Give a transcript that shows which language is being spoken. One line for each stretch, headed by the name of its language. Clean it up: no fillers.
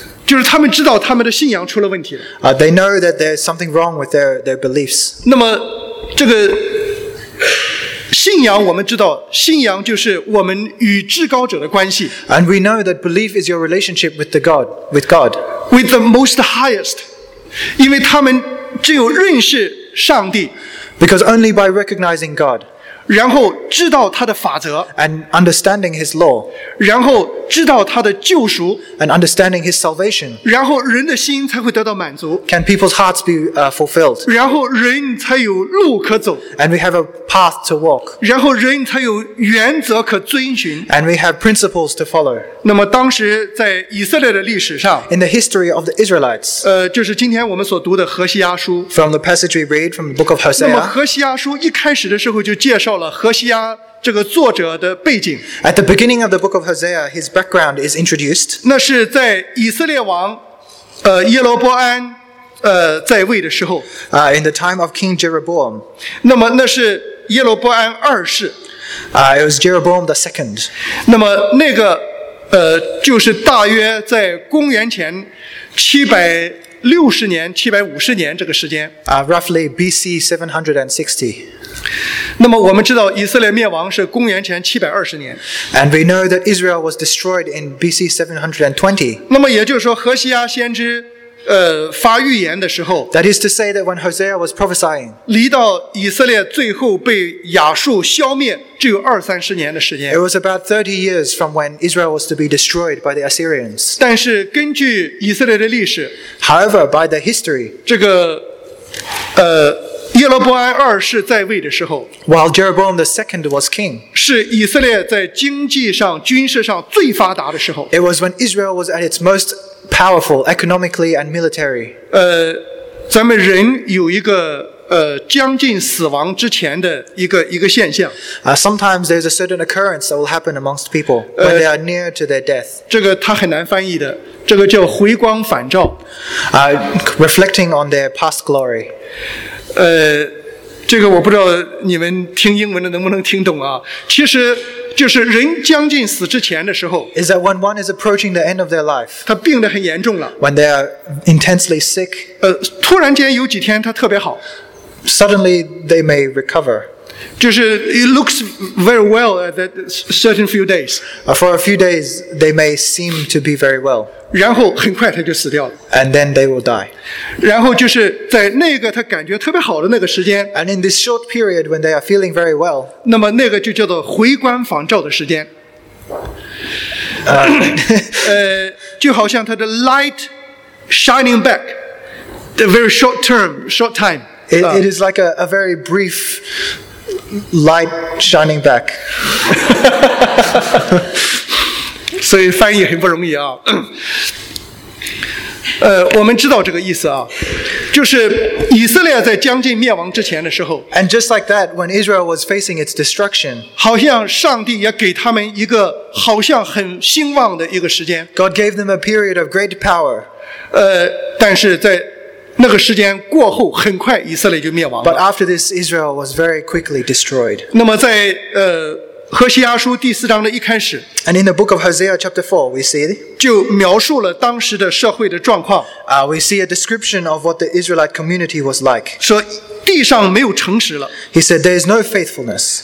Chinese: 就是他们知道他们的信仰出了问题了。
English: They know that there's something wrong with their beliefs.
Chinese: 那么这个信仰我们知道，信仰就是我们与至高者的关系。
English: And we know that belief is your relationship with the God, with God. With the most highest.
Chinese: 因为他们只有认识上帝。
English: Because only by recognizing God.
Chinese: 然后知道他的法则。
English: And understanding his law.
Chinese: 然后知道他的救赎。
English: And understanding his salvation.
Chinese: 然后人的心才会得到满足。
English: Can people's hearts be fulfilled?
Chinese: 然后人才有路可走。
English: And we have a path to walk.
Chinese: 然后人才有原则可遵循。
English: And we have principles to follow.
Chinese: 那么当时在以色列的历史上。
English: In the history of the Israelites.
Chinese: 就是今天我们所读的何西阿书。
English: From the passage we read from the book of Hosea.
Chinese: 那么何西阿书一开始的时候就介绍了何西阿这个作者的背景。
English: At the beginning of the book of Hosea, his background is introduced.
Chinese: 那是在以色列王，耶罗波安，在位的时候。
English: In the time of King Jeroboam.
Chinese: 那么那是耶罗波安二世。
English: It was Jeroboam the second.
Chinese: 那么那个，就是大约在公元前750年这个时间。
English: Roughly B.C. 760.
Chinese: 那么我们知道以色列灭亡是公元前720年。
English: And we know that Israel was destroyed in B.C. 720.
Chinese: 那么也就是说，何西阿先知，发预言的时候。
English: That is to say that when Hosea was prophesying.
Chinese: 离到以色列最后被亚述消灭，只有二三十年的时间。
English: It was about 30 years from when Israel was to be destroyed by the Assyrians.
Chinese: 但是根据以色列的历史。
English: However, by the history.
Chinese: 这个，耶罗波安二世在位的时候，
English: While Jeroboam the second was king,
Chinese: 是以色列在经济上、军事上最发达的时候。
English: It was when Israel was at its most powerful economically and military.
Chinese: 咱们人有一个将近死亡之前的一个现象。
English: Sometimes there's a certain occurrence that will happen amongst people when they are near to their death.
Chinese: 这个它很难翻译的，这个叫回光返照。
English: Reflecting on their past glory.
Chinese: 这个我不知道你们听英文的能不能听懂啊？其实就是人将近死之前的时候
English: ，is that when one is approaching the end of their life，
Chinese: 他病得很严重了
English: ，when they are intensely sick，
Chinese: 突然间有几天他特别好
English: ，suddenly they may recover，
Chinese: 就是
English: it looks very well at that certain few days， for a few days they may seem to be very well。
Chinese: 然后很快他就死掉了。
English: And then they will die.
Chinese: 然后就是在那个他感觉特别好的那个时间。
English: And in this short period when they are feeling very well.
Chinese: 那么那个就叫做回光返照的时间。就好像他的
English: light shining back. The very short term, short time. It is like a very brief light shining back.
Chinese: 所以翻译很不容易啊。我们知道这个意思啊，就是以色列在将近灭亡之前的时候。
English: And just like that, when Israel was facing its destruction,
Chinese: 好像上帝也给他们一个好像很兴旺的一个时间。
English: God gave them a period of great power.
Chinese: 但是在那个时间过后，很快以色列就灭亡了。
English: But after this, Israel was very quickly destroyed.
Chinese: 那么在何西阿书第四章的一开始，
English: And in the book of Hosea chapter 4 we see
Chinese: 就描述了当时的社会的状况。
English: We see a description of what the Israelite community was like.
Chinese: 说地上没有诚实了。
English: He said there is no faithfulness.